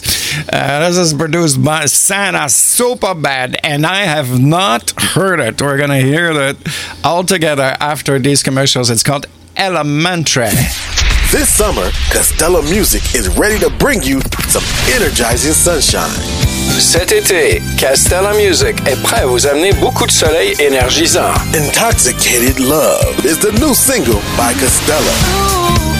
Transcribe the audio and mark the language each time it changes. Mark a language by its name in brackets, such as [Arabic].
[English] This is produced by Santa Superbad, and I have not heard it. We're going to hear it all together after these commercials. It's called Elementary. This summer, Costello Music is ready to bring you some energizing sunshine. [French] Cet été, Castella Music est prêt à vous amener beaucoup de soleil énergisant. [English] Intoxicated Love is the new single by Castella.